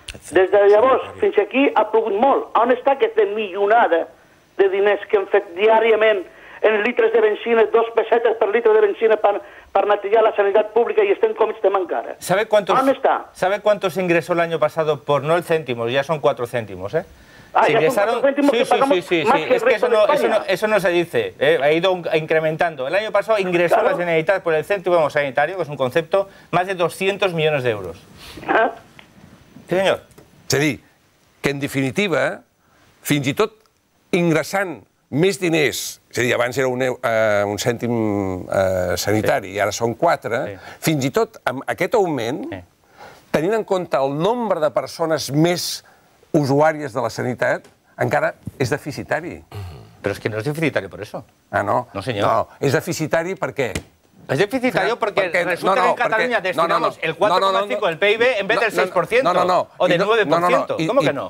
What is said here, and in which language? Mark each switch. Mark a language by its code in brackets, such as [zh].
[ca] Des de llavors fins aquí ha plogut molt. On està aquesta milionada de diners que hem fet diàriament en litres de benzina, 2 pesetes per litre de benzina per netejar la sanitat pública i estem com estem encara? [es] ¿Sabe cuántos, [ca] on està? [es] ¿Sabe cuántos ingresó el año pasado por no el céntimo? Ya son 4 céntimos, ¿eh? Ah, ingresaron... Sí. Que es que eso no se dice. Ha ido incrementando. El año pasado ingresó la Generalitat por el céntimo sanitario, que es un concepto, más de 200 millones de euros. Sí, señor. Es decir, que en definitiva, [ca] fins i tot ingressant més diners, és a dir, abans era un cèntim sanitari, sí, i ara són 4, sí, fins i tot amb aquest augment, sí, tenint en compte el nombre de persones més [es] usuarias de la sanidad, [ca] encara es deficitari. [es] Pero es que no es deficitario por eso. Ah, no. No, señor. No, [ca] es deficitari porque... [es] Es deficitario porque, resulta que en Cataluña destinamos el 4,5% del PIB en vez del 6% o del 9%. ¿Cómo que no?